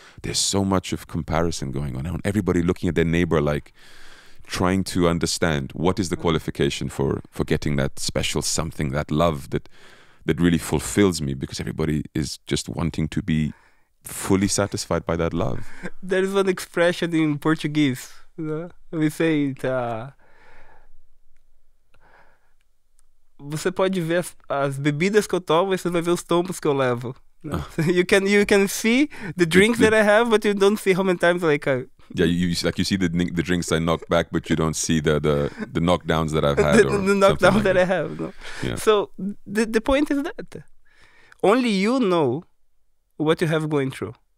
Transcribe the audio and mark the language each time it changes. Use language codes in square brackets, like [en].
[en] There's so much of comparison going on. And everybody looking at their neighbor, like trying to understand what is the qualification for getting that special something, that love that really fulfills me, because everybody is just wanting to be fully satisfied by that love. There is an expression in Portuguese, you know? We say it, [pt] você pode ver as bebidas que eu tomo, você vai ver os tombos que eu levo. [en] You can see the drinks that I have, but you don't see how many times like I. Yeah, you see the drinks I knock back, but you don't see the knockdowns that I've had. The knockdowns like that I have. No? Yeah. So the point is that only you know what you have going through.